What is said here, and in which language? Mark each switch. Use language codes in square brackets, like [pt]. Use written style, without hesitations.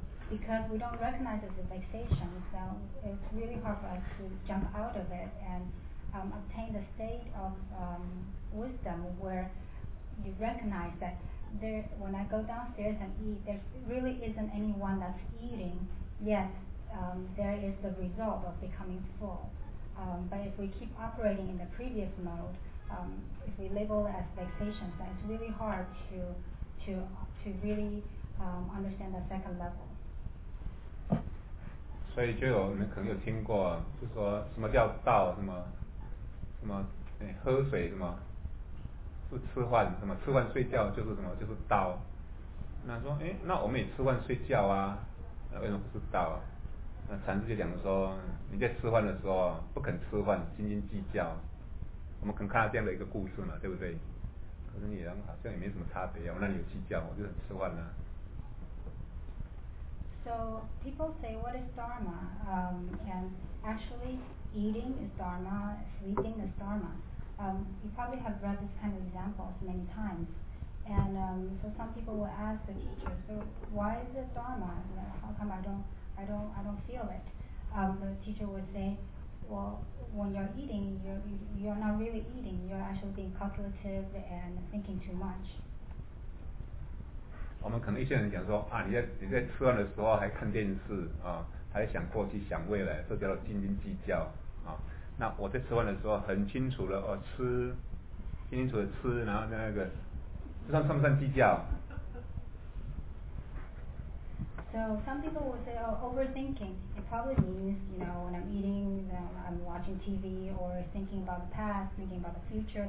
[en] Because we don't recognize it as vexation, so it's really hard for us to jump out of it andobtain the state of wisdom where you recognize that there, when I go downstairs and eat, there really isn't anyone that's eating, yet there is the result of becoming full. But if we keep operating in the previous mode, if we label it as vexation, then it's really hard to really understand the second level. [zh] 所以就有你们可能有听过，就说什么叫道，什么什么、哎、喝水，什么是吃饭，什么吃饭睡觉就是什么就是道。那说哎，那我们也吃饭睡觉啊，那为什么不是道啊？那禅师就讲说，你在吃饭的时候不肯吃饭，斤斤计较，我们可能看到这样的一个故事嘛，对不对？可是你人好像也没什么差别啊，我那里有计较，我就很吃饭了。 [en] So people say, what is dharma? And actually, eating is dharma, sleeping is dharma. You probably have read this kind of examples many times. And so some people will ask the teacher, so why is it dharma? You know, how come I don't feel it? The teacher would say, well, when you're eating, you're not really eating. You're actually being calculative and thinking too much. [zh] 我们可能一些人讲说啊，你在吃饭的时候还看电视啊，还想过去想未来，这叫做斤斤计较啊。那我在吃饭的时候很清楚的哦，吃，清清楚的吃，然后那个，这算不算计较 [en] ？So some people will say, oh, overthinking. It probably means, you know, when I'm eating, I'm watching TV or thinking about the past, thinking about the future.